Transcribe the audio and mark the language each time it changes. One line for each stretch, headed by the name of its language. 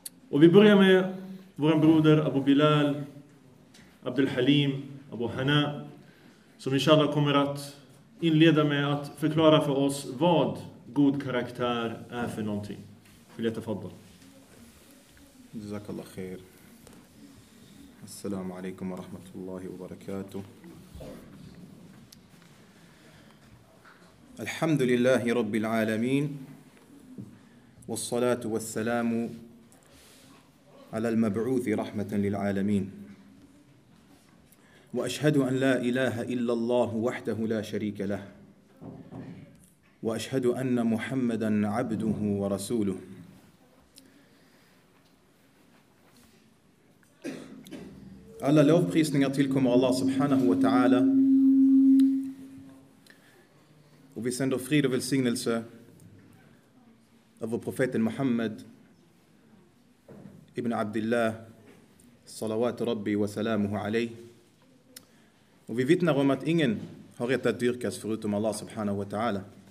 Swedish: Och vi börjar med våran broder Abu Bilal, Abdul Halim, Abu Hana. Som inshallah kommer att inleda med att förklara för oss vad god karaktär är för någonting.
Arabic: Filiyat afaddal. جزاك الله خير السلام عليكم ورحمة الله وبركاته الحمد لله رب العالمين والصلاة والسلام على المبعوث رحمة للعالمين وأشهد أن لا إله إلا الله وحده لا شريك له وأشهد أن محمدا عبده ورسوله
Swedish: Alla lovprisningar tillkommer Allah subhanahu wa ta'ala. Och vi sänder frid och välsignelse över profeten Muhammad ibn Abdullah salawat rabbi wa salamuhu alayh. Och vi vittnar om att ingen har rätt att dyrkas förutom Allah subhanahu wa ta'ala.